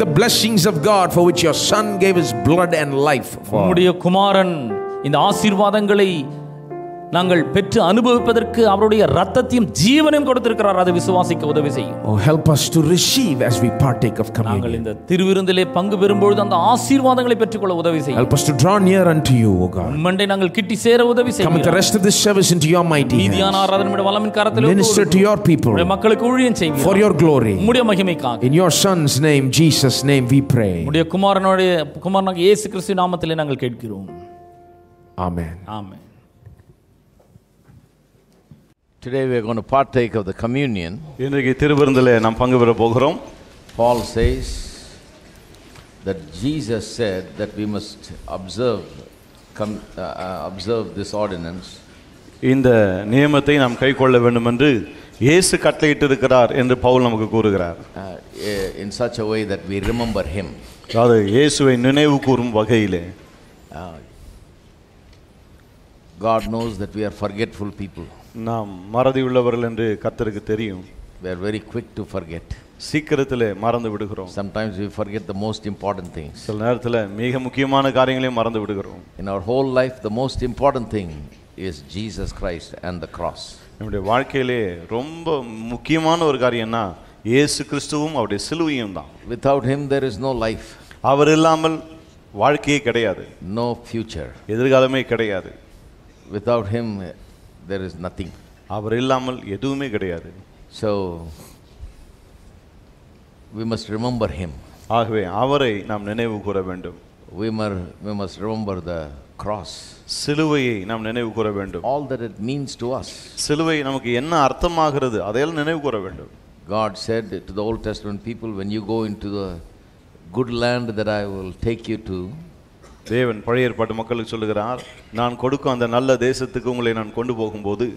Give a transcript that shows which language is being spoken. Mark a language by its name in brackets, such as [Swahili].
[English] the blessings of God for which your son gave his blood and life. [Tamil] உம்முடைய குமாரன் இந்த ஆசீர்வாதங்களை நாங்கள் பெற்று அனுபவிப்பதற்கு அவருடைய இரத்தத்தையும் ஜீவனையும் கொடுத்திருக்கிறார் அதை விசுவாசிக்க உதவி செய்யும். [English] Oh help us to receive as we partake of communion. [Tamil] நாங்கள் இந்த திருவிருந்திலே பங்கு பெறும்பொழுது அந்த ஆசீர்வாதங்களை பெற்றுக்கொள்ள உதவி செய்யும். [English] Help us to draw near unto you O God. [Tamil] உம்மண்டை நாங்கள் கிட்டி சேர உதவி செய்யும். [English] Come with the rest of this service into your mighty hands. [Tamil] மீதியான ஆராதனையோடு வல்லமையின் கரத்திலே [English] minister to your people. [Tamil] உம்முடைய மக்களுக்கு ஊழியம் செய்யும். [English] For your glory. [Tamil] உம்முடைய மகிமைக்காக. [English] In your son's name Jesus name we pray. [Tamil] உம்முடைய குமாரனுடைய குமாரனாகிய இயேசு கிறிஸ்துவின் நாமத்திலே நாங்கள் கேட்கிறோம். [English] Amen. Amen. Today we are going to partake of the communion. [Tamil] இன்றைக்கு திருவிருந்திலே நாம் பங்குபெற போகிறோம். [English] Paul says that Jesus said that we must observe this ordinance. [Tamil] இந்த நியமத்தை நாம் கைக்கொள்ள வேண்டும் என்று இயேசு கட்டளையிட்டிருக்கிறார் என்று பவுல் நமக்கு கூறுகிறார். [English] In such a way that we remember him. [Tamil] அதாவது இயேசுவை நினைவுகூரும் வகையிலே. [English] God knows that we are forgetful people. [Tamil] நாம் மறதி உள்ளவர்கள் என்று கர்த்தருக்கு தெரியும். [English] We are very quick to forget. [Tamil] சீக்கிரத்திலே மறந்து விடுகிறோம். [English] Sometimes we forget the most important things. [Tamil] சில நேரத்தில் மிக முக்கியமான காரியங்களையும் மறந்து விடுகிறோம். [English] In our whole life the most important thing is Jesus Christ and the cross. [Tamil] நம்முடைய வாழ்க்கையிலே ரொம்ப முக்கியமான ஒரு காரியம் என்ன? இயேசு கிறிஸ்துவும் அவருடைய சிலுவையும் தான். [English] Without him there is no life. [Tamil] அவர் இல்லாமல் வாழ்க்கையே கிடையாது. [English] No future. [Tamil] எதிர்காலமே கிடையாது. [English] Without him there is nothing. [Tamil] அவர் இல்லாமல் எதுவுமே கிடையாது. [English] So we must remember him. [Tamil] ஆகவே அவரை நாம் நினைவுகூர வேண்டும். [English] We must remember the cross. [Tamil] சிலுவையை நாம் நினைவுகூர வேண்டும். [English] All that it means to us. [Tamil] சிலுவை நமக்கு என்ன அர்த்தமாகிறது அதையெல்லாம் நினைவுகூர வேண்டும். [English] God said to the Old Testament people when you go into the good land that I will take you to. [Tamil] தேவன் பழைய ஏற்பாட்டு மக்களுக்கு சொல்லுகிறார், நான் கொடுக்கும் அந்த நல்ல தேசத்துக்கு உங்களை நான் கொண்டு போகும் போது,